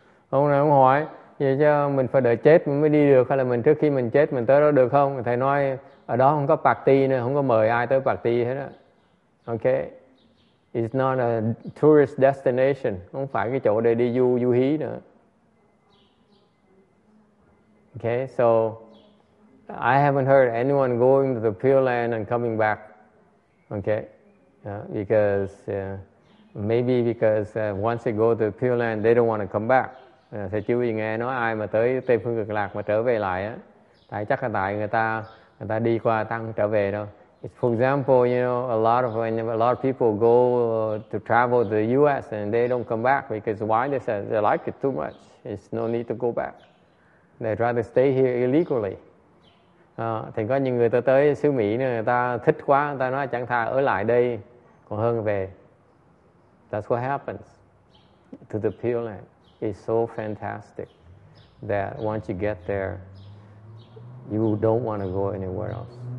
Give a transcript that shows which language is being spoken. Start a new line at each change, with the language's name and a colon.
Vietnamese: Ông này ông hỏi, vậy chứ mình phải đợi chết mình mới đi được, hay là mình trước khi mình chết mình tới đó được không? Thầy nói, ở đó không có party nữa, không có mời ai tới party hết á. Okay,
English: It's not a tourist destination.
Vietnamese: Không phải cái chỗ để đi du du hí nữa.
English: Okay, so I haven't heard anyone going to the Pure Land and coming back. Okay, because once they go to the Pure Land, they don't want to come back.
Vietnamese: Thầy chú ý nghe nói ai mà tới Tây Phương Cực Lạc mà trở về lại á, tại chắc là tại người ta đi qua tăng trở về đâu.
English: For example, you know, a lot of people go to travel to the U.S. and they don't come back because why? They said they like it too much. It's no need to go back. They'd rather stay here illegally.
Vietnamese: Thì có những người tới xứ Mỹ nữa, người ta thích quá, người ta nói chẳng thà ở lại đây còn hơn về.
English: That's what happens to the Pure Land. It's so fantastic that once you get there, you don't want to go anywhere else.